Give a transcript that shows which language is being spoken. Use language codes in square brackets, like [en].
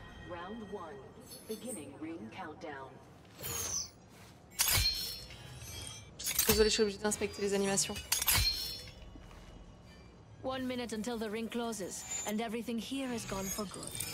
[en] Round 1, beginning ring countdown. [fr] Désolé, je suis obligée d'inspecter les animations. [en] One minute until the ring closes, and everything here has gone for good.